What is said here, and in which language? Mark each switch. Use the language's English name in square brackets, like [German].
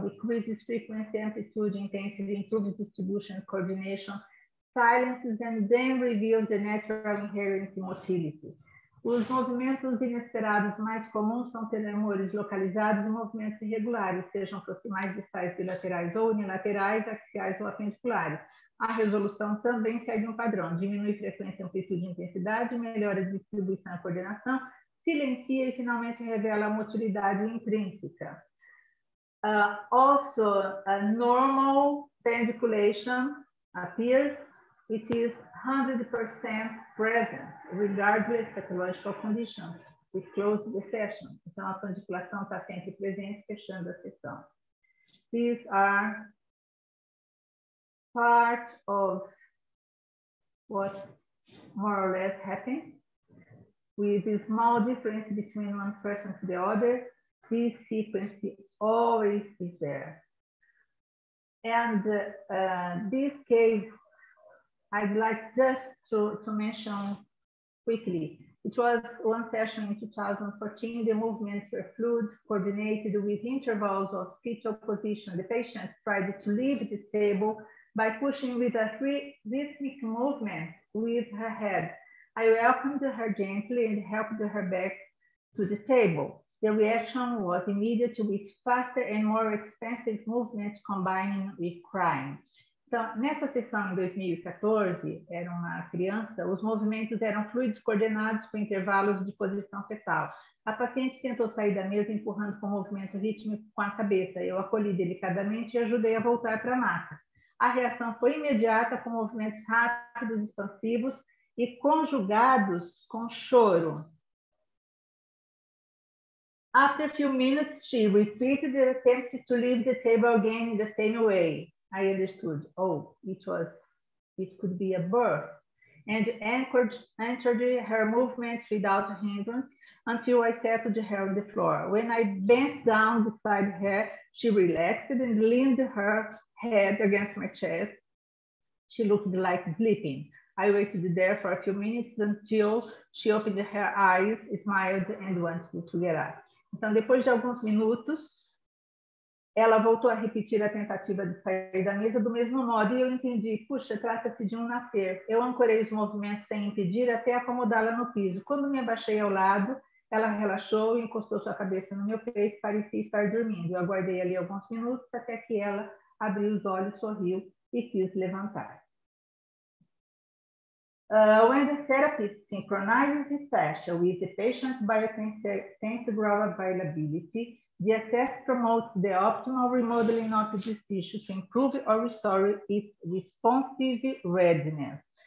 [English] Decreases frequency, amplitude, intensity, improves distribution, coordination, silences, and then reveals the natural inherent motility. [Portuguese] Os movimentos inesperados mais comuns são tremores localizados e movimentos irregulares, sejam proximais, distais, bilaterais ou unilaterais, axiais ou apendiculares. A resolução também segue um padrão, diminui frequência, amplitude e intensidade, melhora a distribuição e coordenação, silencia e finalmente revela a motilidade intrínseca. [English] Also, a normal pendiculation appears. It is 100% present, regardless of pathological conditions. We close the session. [Portuguese] Então, a pendiculação está sempre presente, fechando a sessão. [English] These are part of what more or less happens. With a small difference between one person to the other, this sequence always is there. And this case, I'd like just to mention quickly, it was one session in 2014, the movements were fluid, coordinated with intervals of fetal position. The patient tried to leave the table by pushing with a rhythmic movement with her head. I welcomed her gently and helped her back to the table. The reaction was immediate with faster and more expansive movements combining with crying. [Portuguese] Então, nessa sessão em 2014, era uma criança, os movimentos eram fluidos coordenados com intervalos de posição fetal. A paciente tentou sair da mesa empurrando com movimento rítmico com a cabeça. Eu acolhi delicadamente e ajudei a voltar para a maca. A reação foi imediata com movimentos rápidos, expansivos e conjugados com choro. [English] After a few minutes, she repeated the attempt to leave the table again in the same way. I understood, it could be a birth, and entered her movements without hindrance until I settled her on the floor. When I bent down beside her, she relaxed and leaned her head against my chest. She looked like sleeping. I waited there for a few minutes until she opened her eyes, smiled, and wanted to get up. [Portuguese] Então, depois de alguns minutos, ela voltou a repetir a tentativa de sair da mesa do mesmo modo e eu entendi, puxa, trata-se de um nascer. Eu ancorei os movimentos sem impedir até acomodá-la no piso. Quando me abaixei ao lado, ela relaxou e encostou sua cabeça no meu peito, parecia estar dormindo. Eu aguardei ali alguns minutos até que ela abriu os olhos, sorriu e quis levantar. [English] When the therapist synchronizes the session with the patient's biosensorial availability, the assess promotes the optimal remodeling of this tissue to improve or restore its responsive readiness.